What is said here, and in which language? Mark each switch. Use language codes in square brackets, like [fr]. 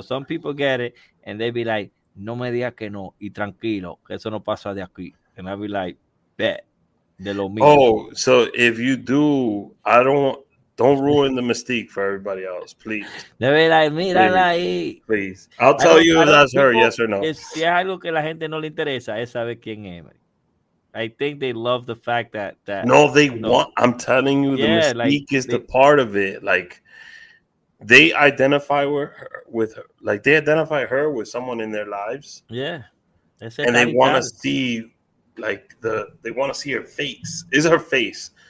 [en] Some people get it, and they be like, [es] no me digas que no, y tranquilo, que eso no pasa de aquí. [en] And I be like, bet. [es] De lo mismo. [en] Oh, so if you do, I don't. Don't ruin the mystique for everybody else, please. Be like, [es] mira ahí. [en] Please. I'll tell you if that's her, yes or no. [es] Si es algo que la gente no le interesa, es saber quién es. [en] I think they love the fact that no, they want. I'm telling you, the mystique is the part of it. Like, they identify with her. Like, they identify her with someone in their lives. Yeah. And they want to see, like, they want to see her face. Is her face.